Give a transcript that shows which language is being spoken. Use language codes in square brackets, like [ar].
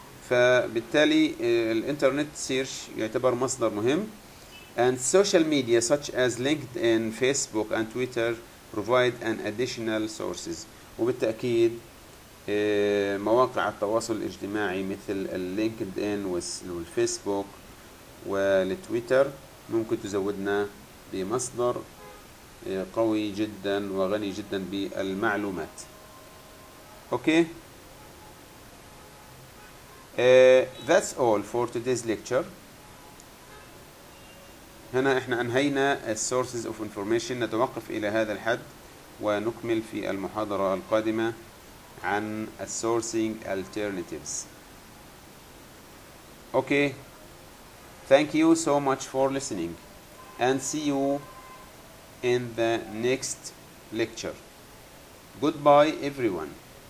[ar] فبالتالي الإنترنت سيرش يعتبر مصدر مهم. [en] And social media such as LinkedIn, Facebook and Twitter provide an additional sources. [ar] وبالتأكيد مواقع التواصل الاجتماعي مثل LinkedIn والفيسبوك والتويتر ممكن تزودنا بمصدر قوي جدا وغني جدا بالمعلومات. اوكي. [en] That's all for today's lecture. [ar] هنا احنا انهينا [en] sources of information، [ar] نتوقف الى هذا الحد ونكمل في المحاضرة القادمة عن [en] sourcing alternatives. [ar] اوكي. [en] Thank you so much for listening and see you in the next lecture. Goodbye everyone.